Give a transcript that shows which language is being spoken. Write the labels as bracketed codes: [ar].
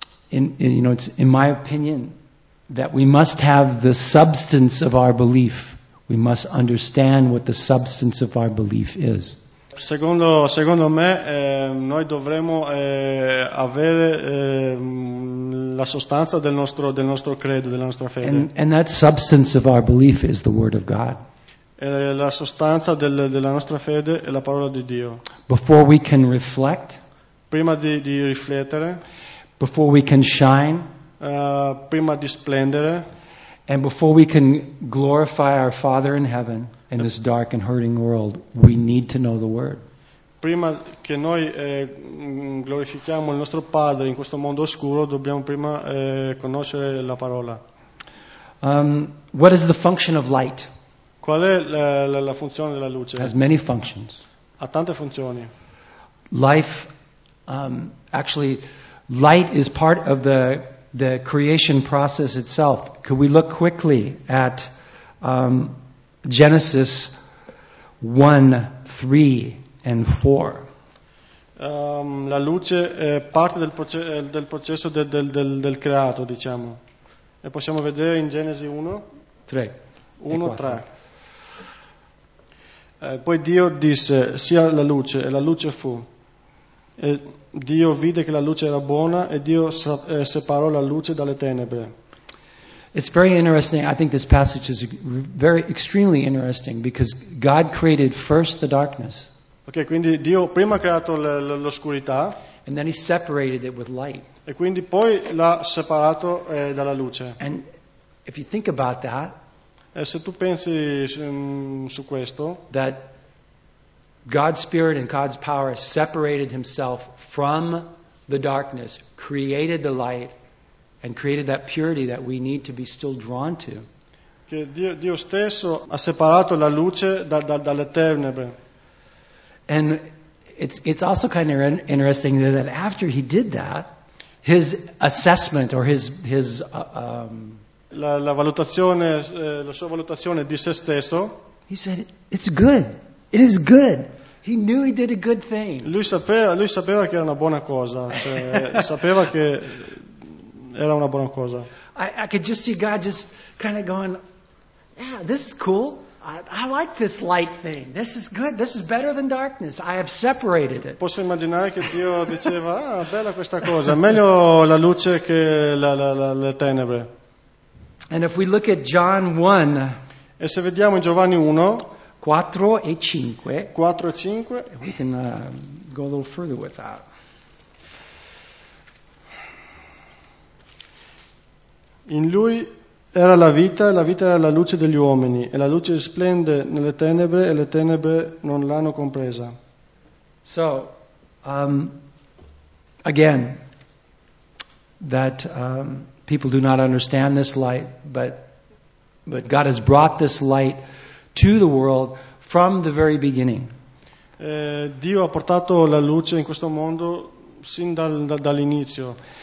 [en] In you know, it's in my opinion that we must have the substance of our belief. We must understand what the substance of our belief is. [it] Secondo me, noi dovremmo avere la sostanza del nostro credo, della nostra fede. [en] And that substance of our belief is the Word of God. [it] La sostanza della nostra fede è la parola di Dio. [en] Before we can reflect, [it] prima di riflettere, [en] before we can shine, [it] prima di splendere, [en] and before we can glorify our Father in heaven in this dark and hurting world, we need to know the Word. [it] Prima che noi glorifichiamo il nostro Padre in questo mondo oscuro, dobbiamo prima conoscere la parola. [en] What is the function of light? [it] Qual è la funzione della luce? [en] Has many functions. [it] Ha tante funzioni. [en] Life, actually, light is part of the creation process itself. Could we look quickly at Genesis 1, 3 and 4? [it] La luce è parte del processo del creato, diciamo. E possiamo vedere in Genesi 1, 3. Poi Dio disse, sia la luce, e la luce fu. E Dio vide che la luce era buona, e Dio separò la luce dalle tenebre. [en] It's very interesting, I think this passage is very extremely interesting, because God created first the darkness. [it] Ok, quindi Dio prima ha creato l'oscurità, [en] and then he separated it with light. [it] E quindi poi l'ha separato dalla luce. [en] And if you think about that, [it] e se tu pensi su questo, [en] that God's spirit and God's power separated himself from the darkness, created the light, and created that purity that we need to be still drawn to. [it] Che Dio stesso ha separato la luce dalle tenebre. [en] And it's also kind of interesting that after he did that, his assessment or his [it] La valutazione, la sua valutazione di se stesso. [en] He said, "It's good. It is good." He knew he did a good thing. [it] Lui sapeva che era una buona cosa. Cioè, sapeva che era una buona cosa. [en] I could just see God just kind of going, "Yeah, this is cool. I like this light thing. This is good. This is better than darkness. I have separated it." [it] Posso immaginare che Dio diceva, "Ah, bella questa cosa. Meglio la luce che le tenebre." [en] And if we look at John 1, [it] e se vediamo in Giovanni 1, 4 e 5, 4 e 5, [en] we can go a little further with that. [it] In lui era la vita, e la vita era la luce degli uomini, e la luce risplende nelle tenebre, e le tenebre non l'hanno compresa. [en] So, again, that... people do not understand this light, but But God has brought this light to the world from the very beginning. [it] Dio ha portato la luce in questo mondo sin dall'inizio.